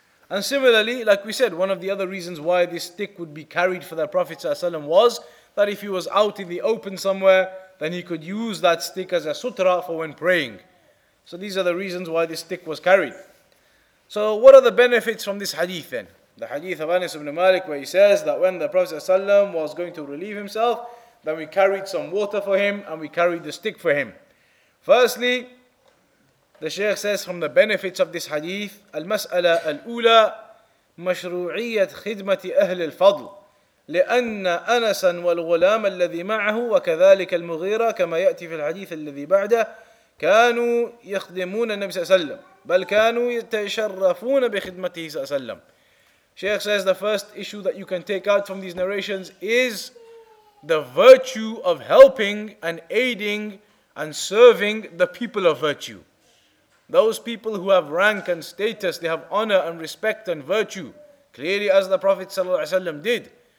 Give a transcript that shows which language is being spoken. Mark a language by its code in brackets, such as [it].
[en] And similarly, like we said, one of the other reasons why this stick would be carried for the Prophet ﷺ was that if he was out in the open somewhere, then he could use that stick as a sutra for when praying. So these are the reasons why this stick was carried. So what are the benefits from this hadith then? The hadith of Anas ibn Malik, where he says that when the Prophet ﷺ was going to relieve himself, then we carried some water for him and we carried the stick for him. Firstly, the Shaykh says from the benefits of this hadith, [ar] المسألة الأولى مشروعية خدمة أهل الفضل لأن أنسا والغلام الذي معه وكذلك المغيرة كما يأتي في الحديث الذي بعده كانوا يخدمون النبي صلى الله عليه وسلم بل كانوا يتشرفون بخدمته صلى الله عليه وسلم. [en] Shaykh says the first issue that you can take out from these narrations is the virtue of helping and aiding and serving the people of virtue. Those people who have rank and status, they have honor and respect and virtue, clearly as the Prophet ﷺ did.